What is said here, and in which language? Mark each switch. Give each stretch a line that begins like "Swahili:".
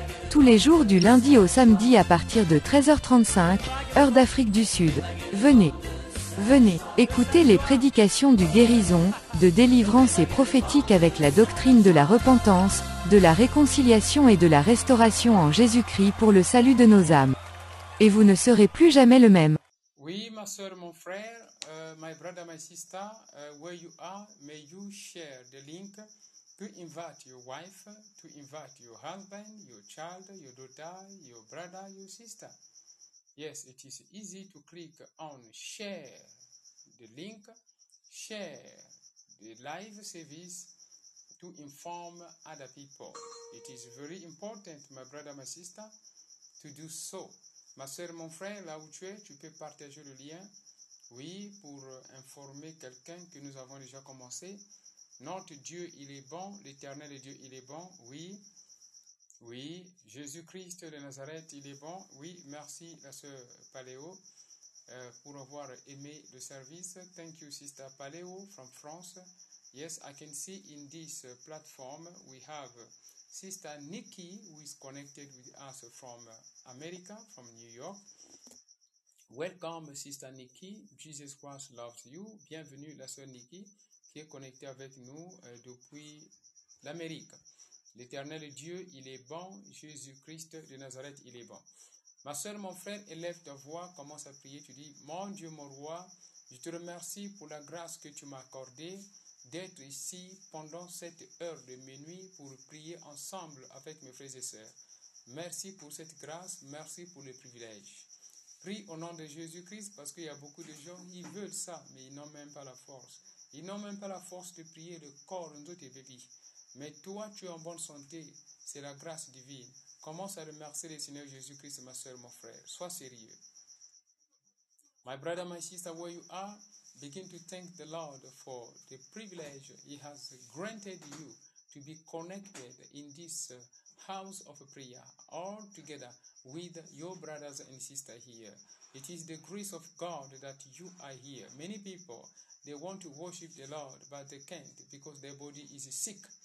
French: Tous les jours du lundi au samedi à partir de 13h35, heure d'Afrique du Sud. Venez. Venez, écoutez les prédications du guérison, de délivrance et prophétique avec la doctrine de la repentance, de la réconciliation et de la restauration en Jésus-Christ pour le salut de nos âmes. Et vous ne serez plus jamais le même. Oui, ma sœur, mon frère,
English: my brother, my sister, where you are, may you share the link to invite your wife, to invite your husband, your child, your daughter, your brother, your sister. Yes, it is easy to click on share the link, share the live service to inform other people. It is very important, my brother, my sister, to do so.
French: Ma soeur, mon frère, là où tu peux partager le lien, oui, pour informer quelqu'un que nous avons déjà commencé. Notre Dieu, il est bon, l'Éternel est Dieu, il est bon, oui. Oui, Jésus-Christ de Nazareth, il est bon. Oui, merci à ce Paléo pour avoir aimé le service.
English: Thank you, Sister Paléo from France. Yes, I can see in this platform we have Sister Nikki who is connected with us from America, from New York. Welcome, Sister Nikki. Jesus Christ loves you.
French: Bienvenue, la sœur Nikki, qui est connectée avec nous depuis l'Amérique. L'Éternel Dieu, il est bon. Jésus-Christ de Nazareth, il est bon. Ma sœur, mon frère, élève ta voix, commence à prier. Tu dis, mon Dieu, mon roi, je te remercie pour la grâce que tu m'as accordée d'être ici pendant cette heure de minuit pour prier ensemble avec mes frères et sœurs. Merci pour cette grâce. Merci pour le privilège. Prie au nom de Jésus-Christ parce qu'il y a beaucoup de gens qui veulent ça, mais ils n'ont même pas la force. Ils n'ont même pas la force de prier le corps de tes bébés. Mais toi, tu es en bonne santé. C'est la grâce divine. Commence à remercier le Seigneur Jésus-Christ, ma soeur, mon frère. Sois sérieux.
English: My brother, my sister, where you are, begin to thank the Lord for the privilege He has granted you to be connected in this house of prayer, all together with your brothers and sisters here. It is the grace of God that you are here. Many people, they want to worship the Lord, but they can't because their body is sick.